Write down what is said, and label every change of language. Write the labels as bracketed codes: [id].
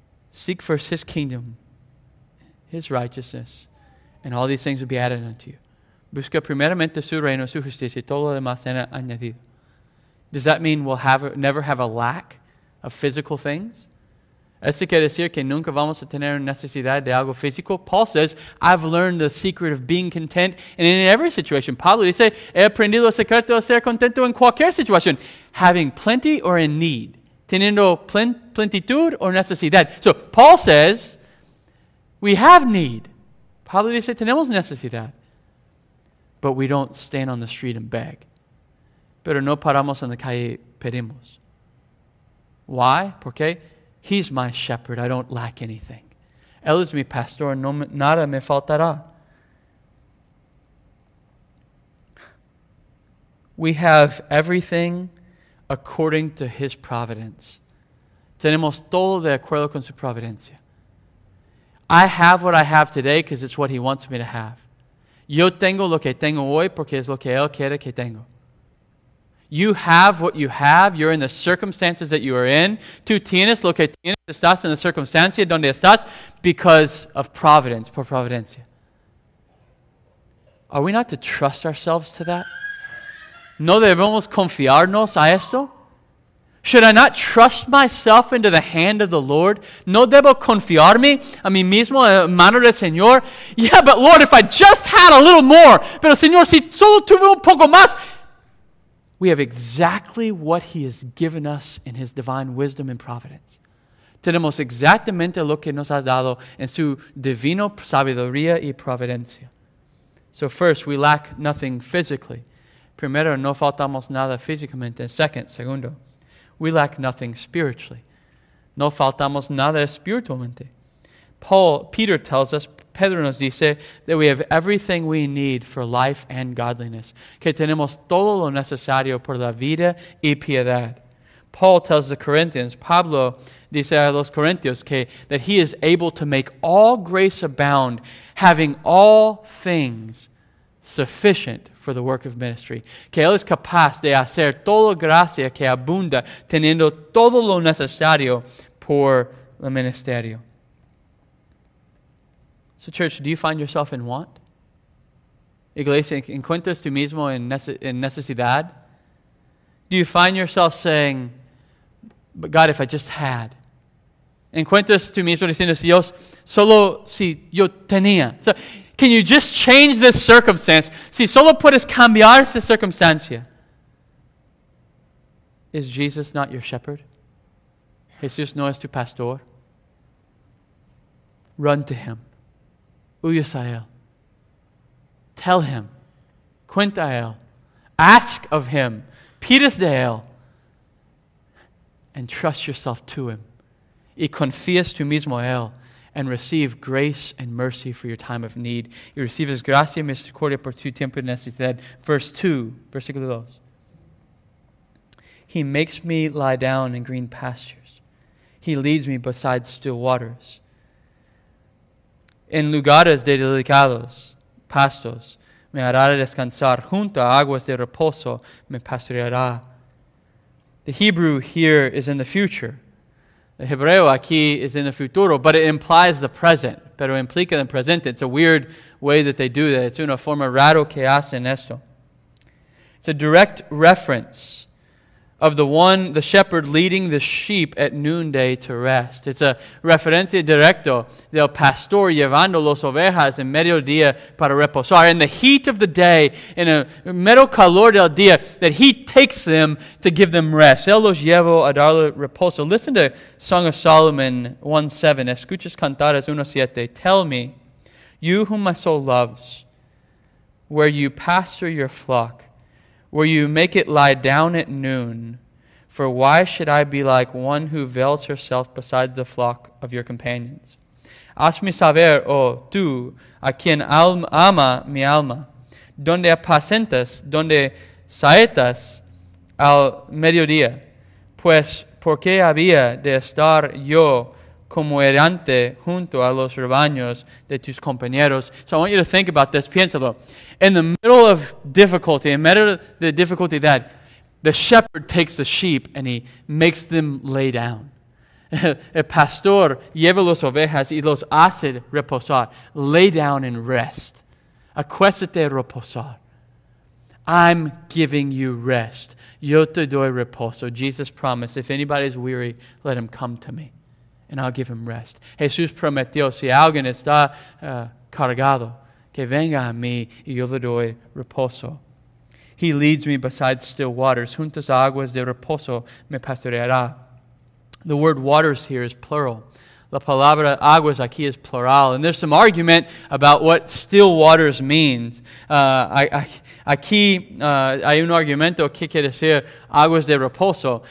[en] Seek first his kingdom, his righteousness, and all these things will be added unto you. [es] Busca primeramente su reino, su justicia, y todo lo demás será añadido. [en] Does that mean we'll never have a lack of physical things? [es] ¿Esto quiere decir que nunca vamos a tener necesidad de algo físico? [en] Paul says, I've learned the secret of being content and in every situation. [es] Pablo dice, he aprendido el secreto de ser contento en cualquier situación. [en] Having plenty or in need. [es] Teniendo plenitud o necesidad. [en] So, Paul says, we have need. [es] Pablo dice, tenemos necesidad. [en] But we don't stand on the street and beg. [es] Pero no paramos en la calle y pedimos. [en] Why? [es] ¿Por qué? [en] He's my shepherd. I don't lack anything. [es] Él es mi pastor. No, nada me faltará. [en] We have everything according to his providence. [es] Tenemos todo de acuerdo con su providencia. [en] I have what I have today because it's what he wants me to have. [es] Yo tengo lo que tengo hoy porque es lo que él quiere que tengo. [en] You have what you have. You're in the circumstances that you are in. [es] Tú tienes lo que tienes. Estás en la circunstancia donde estás [en] because of providence, [es] por providencia. [en] Are we not to trust ourselves to that? [es] ¿No debemos confiarnos a esto? [en] Should I not trust myself into the hand of the Lord? [es] ¿No debo confiarme a mí mismo en mano del Señor? [en] Yeah, but Lord, if I just had a little more. [es] Pero Señor, si solo tuve un poco más. [en] We have exactly what he has given us in his divine wisdom and providence. [es] Tenemos exactamente lo que nos ha dado en su divino sabiduría y providencia. [en] So first, we lack nothing physically. [es] Primero, no faltamos nada físicamente. [en] And segundo, we lack nothing spiritually. [es] No faltamos nada espiritualmente. [en] Peter tells us, [es] Pedro nos dice [en] that we have everything we need for life and godliness. [es] Que tenemos todo lo necesario por la vida y piedad. [en] Paul tells the Corinthians, [es] Pablo dice a los Corintios que [en] that he is able to make all grace abound, having all things sufficient for the work of ministry. [es] Que él es capaz de hacer toda gracia que abunda, teniendo todo lo necesario por el ministerio. [en] So church, do you find yourself in want? [es] Iglesia, ¿encuentras tú mismo en necesidad? [en] Do you find yourself saying, but God, if I just had. [es] ¿Encuentras tú mismo diciendo, Dios, solo si yo tenía? [en] So, can you just change this circumstance? [es] Si solo puedes cambiar esta circunstancia. [en] Is Jesus not your shepherd? [es] Jesús no es tu pastor. [en] Run to him. [es] Huyes a él. [en] Tell him. [es] Cuenta a él. [en] Ask of him. [es] Pides de él. [en] And trust yourself to him. [es] Y confías tú mismo a él. [en] And receive grace and mercy for your time of need. [es] Y recibes gracia y misericordia por tu tiempo de necesidad. [en] Verse 2, [es] versículo 2. [en] He makes me lie down in green pastures. He leads me beside still waters. [es] En lugares de delicados pastos, me hará descansar junto a aguas de reposo, me pastoreará. [en] The Hebrew here is in the future. The [es] Hebreo aquí [en] is in the futuro, but it implies the present. [es] Pero implica el presente. [en] It's a weird way that they do that. It's [es] una forma raro que hacen esto. [en] It's a direct reference of the one, the shepherd leading the sheep at noonday to rest. [es] It's a referencia directo del pastor llevando las ovejas en mediodía para reposar. [en] In the heat of the day, in a [es] mero calor del día, [en] that he takes them to give them rest. [es] Él los llevo a darle reposo. [en] Listen to Song of Solomon 1:7. [es] Escuchas cantares 1:7. [en] Tell me, you whom my soul loves, where you pasture your flock, where you make it lie down at noon, for why should I be like one who veils herself beside the flock of your companions? [es] Hazme saber, oh tú, a quien ama mi alma, donde apacentas, donde saetas al mediodía, pues por qué había de estar yo como errante junto a los rebaños de tus compañeros. [en] So I want you to think about this. [es] Piénsalo. [en] In the middle of difficulty, in the middle of the difficulty that the shepherd takes the sheep and he makes them lay down. [es] El pastor lleva las ovejas y los hace reposar. [en] Lay down and rest. [es] Acuéstate reposar. [en] I'm giving you rest. [es] Yo te doy reposo. [en] Jesus promised, if anybody is weary, let him come to me. And I'll give him rest. [es] Jesús prometió, si alguien está cargado, que venga a mí y yo le doy reposo. [en] He leads me beside still waters. [es] Juntas aguas de reposo me pastoreará. [en] The word waters here is plural. [es] La palabra aguas aquí [en] is plural. And there's some argument about what still waters means. [es] Aquí hay un argumento que quiere decir aguas de reposo.